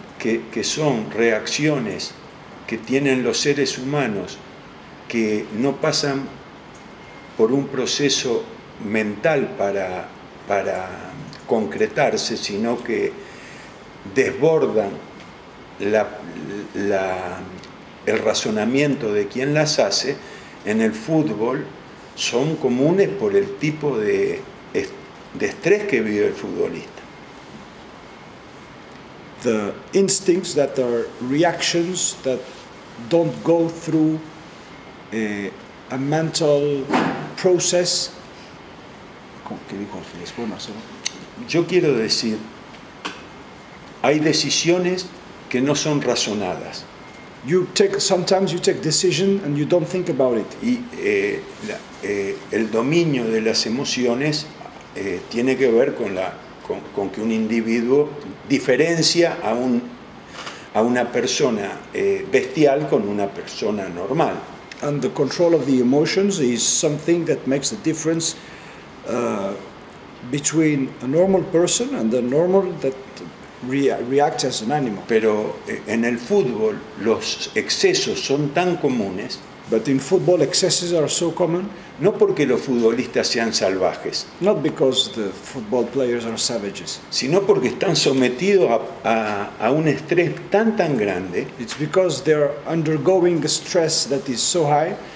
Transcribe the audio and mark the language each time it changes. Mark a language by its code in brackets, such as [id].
[es] que son reacciones que tienen los seres humanos que no pasan por un proceso mental para concretarse, sino que desbordan el razonamiento de quien las hace, en el fútbol son comunes por el tipo de estrés que vive el futbolista. [en] The instincts that are reactions that don't go through a mental process. [es] ¿Qué dijo Alfie? ¿Puedo hacerlo? Yo quiero decir, hay decisiones que no son razonadas. [en] Sometimes you take decision and you don't think about it. [es] Y el dominio de las emociones tiene que ver con que un individuo diferencia a una persona bestial con una persona normal. [en] And the control of the emotions is something that makes the difference between a normal person and a normal that react as an animal. [es] Pero en el fútbol los excesos son tan comunes. [en] But in football excesses are so common. [es] No porque los futbolistas sean salvajes. [en] Not because the football players are savages. [es] Sino porque están sometidos a un estrés tan grande. [en] It's because they are undergoing a stress that is so high